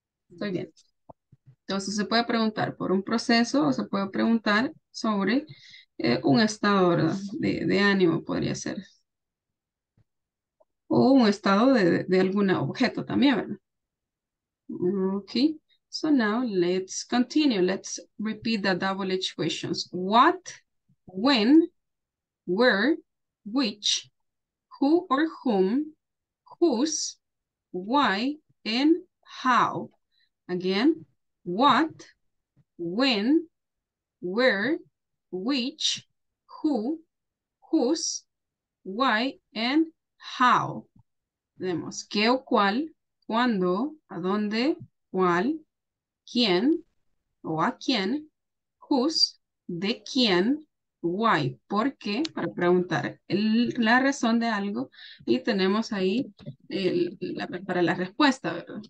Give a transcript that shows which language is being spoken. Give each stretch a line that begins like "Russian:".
Spanish: Entonces se puede preguntar por un proceso o se puede preguntar sobre un estado de ánimo, podría ser. o un estado de algún objeto también, ¿verdad?
English: Ok. So now let's continue. Let's repeat the double H questions. What, when, where, which, who or whom, whose, why, and how. Again, what, when, where, which, who, whose, why, and how.
Spanish: Tenemos qué o cuál, cuándo, a dónde, cuál, quién o a quién, whose, de quién, why, por qué, para preguntar la razón de algo, y tenemos ahí para la respuesta, ¿verdad?